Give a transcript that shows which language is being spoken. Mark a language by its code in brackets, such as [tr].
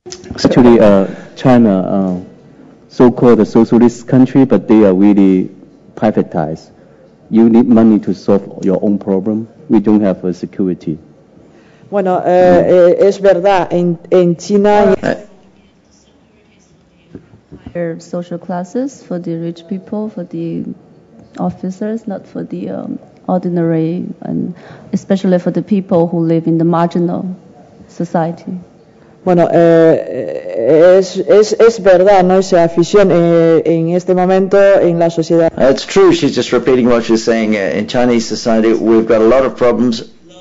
[en] Actually, China, so-called a socialist country, but they are really privatized. You need money to solve your own problem. We don't have a security. [es] Bueno, es verdad, en China... [en] There are social classes for the rich people, for the officers, not for the ordinary, and especially for the people who live in the marginal society. [es] Bueno, es verdad, no es afición en este momento en la sociedad. [en] It's true, she's just repeating what she's saying. In Chinese society, we've got a lot of problems.